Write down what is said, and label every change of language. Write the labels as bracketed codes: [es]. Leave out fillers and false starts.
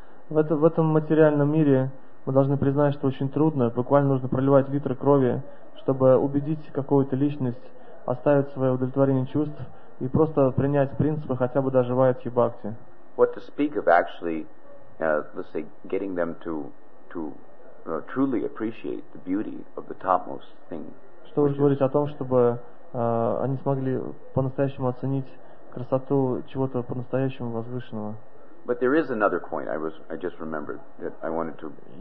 [ru] В этом материальном мире мы должны признать, что очень трудно, буквально нужно проливать литры крови, чтобы убедить какую-то личность оставить свое удовлетворение чувств и просто принять принципы хотя бы даже Vaidhi Bhakti. [en] What to speak of actually, getting them to truly appreciate the beauty of the topmost thing. [ru] Что уж говорить о том, чтобы они смогли по-настоящему оценить красоту чего-то по-настоящему возвышенного. [en] But there is another point I just remembered that I wanted to